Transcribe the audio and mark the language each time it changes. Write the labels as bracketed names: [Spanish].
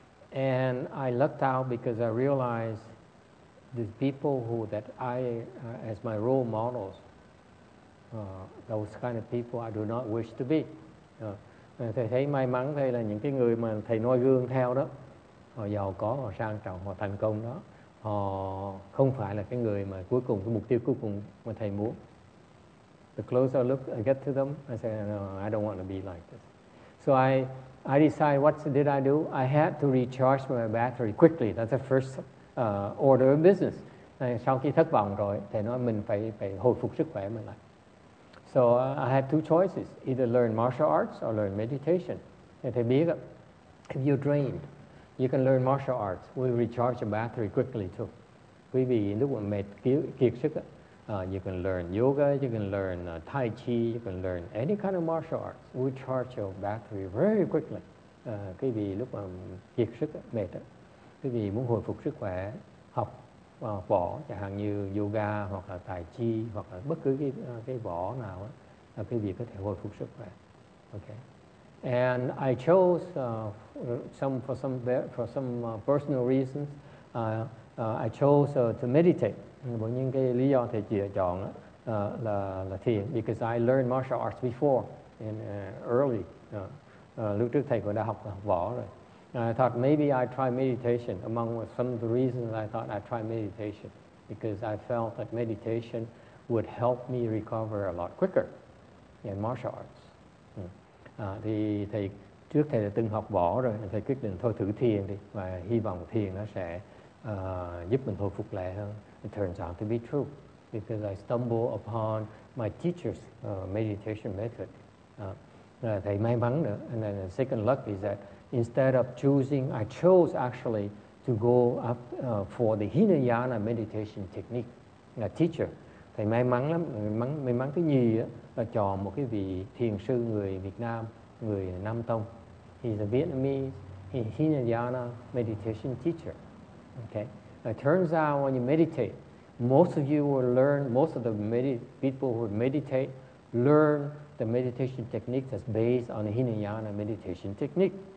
[English] And I lucked out because I realized these people who that I as my role models, those kind of people I do not wish to be. [Vietnamese] Thầy thấy may mắn thầy là những cái người mà thầy noi gương theo đó, họ giàu có, họ sang trọng, họ thành công đó, họ không phải là cái người mà cuối cùng, cái mục tiêu cuối cùng mà thầy muốn. [English] The closer I look, I get to them, I say, no, I don't want to be like this. So I decide, what did I do? I had to recharge my battery quickly. That's the first order of business. [Vietnamese] Sau khi thất vọng rồi, thầy nói mình phải hồi phục sức khỏe mình lại. [English] So I had two choices, either learn martial arts or learn meditation. [Vietnamese] Thầy biết, [English] if you're drained, you can learn martial arts. We recharge the battery quickly too. [Vietnamese] Quý vị lúc mà mệt, kiệt sức, [English] you can learn yoga, you can learn tai chi, you can learn any kind of martial arts. We charge your battery very quickly. [Vietnamese] Quý vị lúc mà kiệt sức, mệt, quý vị muốn hồi phục sức khỏe, học võ, chẳng hạn như yoga, hoặc là tai chi, hoặc là bất cứ cái võ nào, quý vị có thể hồi phục sức khỏe. Okay. [English] And I chose personal reasons. I chose to meditate. [Vietnamese] Bởi những cái lý do thầy chỉ chọn là thiền. [English] Because I learned martial arts before in early. [Vietnamese] Lúc trước thầy cũng đã học võ rồi. [English] And I thought maybe I try meditation. Among some of the reasons I thought I try meditation, because I felt that meditation would help me recover a lot quicker in martial arts. [Vietnamese] Thì thầy trước thầy đã từng học võ rồi, thầy quyết định thôi thử thiền đi và hy vọng thiền nó sẽ giúp mình hồi phục lại hơn. [English] It turns out to be true because I stumbled upon my teacher's meditation method. [Vietnamese] Thầy may mắn nữa, [English] and then the second luck is that instead of choosing, I chose actually to go up for the Hinayana meditation technique teacher. [Vietnamese] Thầy may mắn lắm, may mắn thứ nhì á, là chọn một cái vị thiền sư người Việt Nam, người Nam Tông. [English] He's a Vietnamese Hinayana meditation teacher. Okay. It turns out when you meditate, most of the people who meditate learn the meditation technique that's based on the Hinayana meditation technique.